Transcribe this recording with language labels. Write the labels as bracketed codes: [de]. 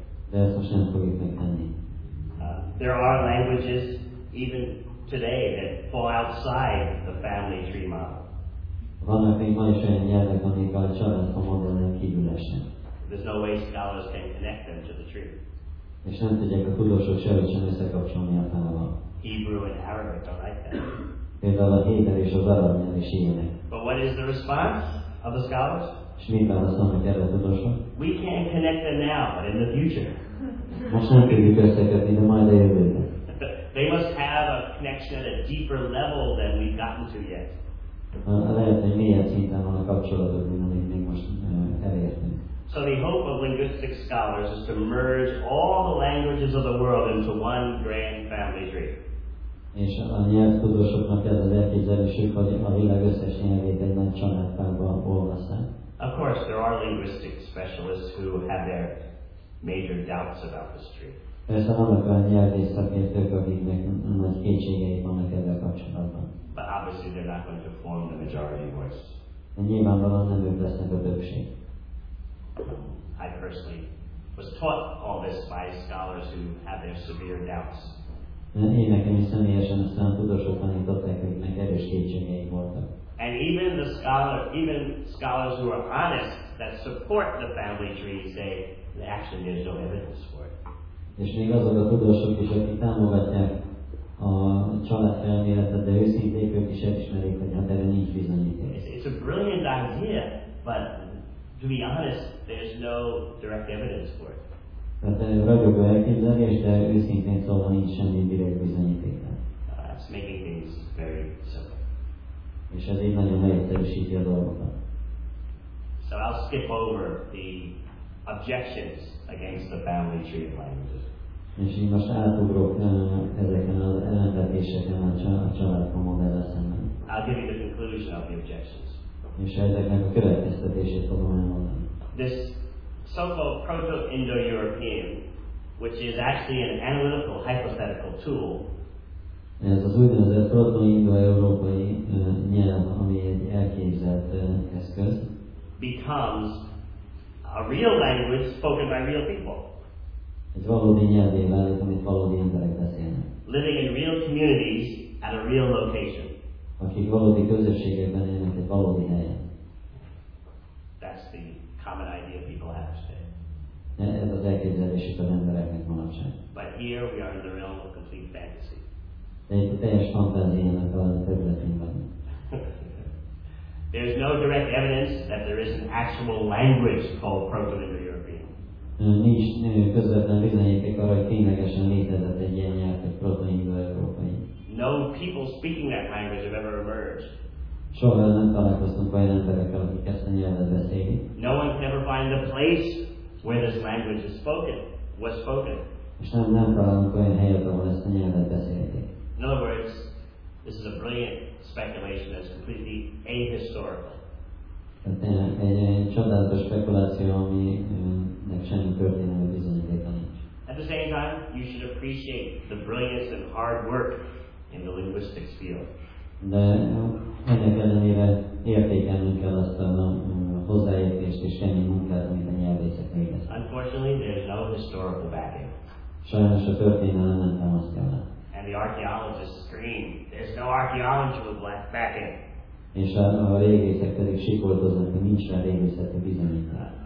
[hu] De ezt most nem fogjuk megtenni. [en] There are languages even today that fall outside the family tree model. [hu] Vannak még ma is olyan nyelvek, amik a család modellen kívül esnek. [en] There's no way scholars can connect them to the tree. [hu] És nem tudják a tudósok sehogyan összekapcsolni a fával. [en] Hebrew and Arabic are like that. [hu] Például a héber és az arab nyelv is ilyenek. [en] But what is the response of the scholars? [hu] És mit válaszolnak erre a tudósok? [en] We can't connect them now, but in the future. [hu] Most nem tudjuk összekötni, de majd a jövőben. [en] They must have a connection at a deeper level than we've gotten to yet. [hu] Lehet, hogy mélyebb szinten van a kapcsolatok, mint amit még most elértünk. [en] So the hope of linguistic scholars is to merge all the languages of the world into one grand family tree. [hu] És a nyelvtudósoknak ez az elképzelésük, hogy a világ összes nyelvét egy nagy családtagban olvasszák. [en] Of course, there are linguistic specialists who have their major doubts about this tree. [hu] Persze vannak olyan nyelvész szakértők, akiknek nagy kétségeik vannak ezzel kapcsolatban. [en] But obviously they're not going to form the majority voice. [hu] De nyilvánvalóan nem ők lesznek a többség. [en] I personally was taught all this by scholars who have their severe doubts. [hu] Én nekem is személyesen aztán tudósok tanították, hogy meg erős kétségeim voltak. [en] And even the scholar, even scholars who are honest that support the family tree say that actually there's no evidence for it. [hu] És még azok a tudósok is, akik támogatják a család felméletet, de őszintén ők is elismerik, hogy hát erre nincs bizonyíték. [en] It's a brilliant idea, but to be honest, there's no direct evidence for it. [hu] Tehát ragyogva elképzelés, de őszintén szóval nincs semmi direkt bizonyítéka. [en] It's making things very simple. [hu] És ez így nagyon egyszerűsíti a dolgokat. [en] So I'll skip over the objections against the family tree of languages. [hu] És így most átugrok ezeken az ellenvetéseken a családfa modellel szemben. [en] I'll give you the conclusion of the objections. [hu] És ezeknek a következtetését fogom elmondani. [en] This so-called Proto-Indo-European, which is actually an analytical hypothetical tool. [hu] Ez az úgynevezett Proto-Indo-Európai nyelv, ami egy elképzelt eszköz. [en] Becomes a real language spoken by real people. [hu] Ez valódi nyelvé válik, amit valódi emberek beszélnek. [en] Living in real communities at a real location. [hu] Akik valódi közösségekben élnek egy valódi helyen. [en] That's the common idea people have today. [hu] Ez az elképzelésük az embereknek manapság. [en] But here we are in the realm of complete fantasy. [hu] De itt a teljes fantáziának a területén vagyunk. [en] There's no direct evidence that there is an actual language called Proto-Indo-European. [hu] Nincs közvetlen bizonyíték arra, hogy ténylegesen létezett egy ilyen nyelv, egy Proto-Indo-Európai. [en] No people speaking that language have ever emerged. [hu] Soha nem találkoztunk olyan emberekkel, akik ezt a nyelvet beszélik. [en] No one can ever find the place where this language is spoken, was spoken. [hu] És nem találunk olyan helyet, ahol ezt a nyelvet beszélik. [en] In other words, this is a brilliant speculation that's completely ahistorical. [hu] Egy csodálatos spekuláció, aminek semmi történelmi bizonyítéka nincs. [en] At the same time, you should appreciate the brilliance and hard work in the linguistics field. [hu] De ennek ellenére értékelnünk kell azt a hozzáértést és semmi munkát, amit a nyelvészek végeznek. [en] Unfortunately, there's no historical backing. [hu] Sajnos a történelem nem támasztja le. [en] And the archaeologists scream, there's no archaeological backing. [hu] És a régészek pedig sikoltoznak, hogy nincs rá régészeti bizonyítás.